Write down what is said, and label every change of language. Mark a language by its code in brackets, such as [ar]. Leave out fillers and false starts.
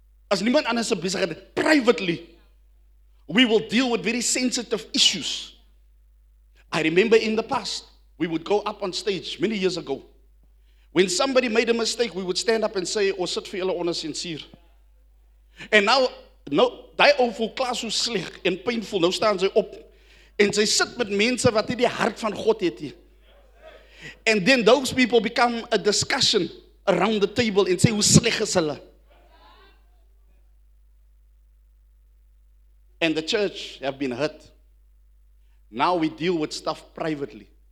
[af] As niemand anders is besig, [en] privately, we will deal with very sensitive issues. I remember in the past, we would go up on stage many years ago. When somebody made a mistake, we would stand up and say, [af] "O sit vir julle onder sensuur." [en] And now, no, [af] die ou voel klas so sleg en painful. Nou staan sy op en sy sit met mense wat nie die hart van God het nie. [en] And then those people become a discussion around the table and say, [af] "Hoe sleg is hulle?" [en] And the church have been hurt. Now we deal with stuff privately.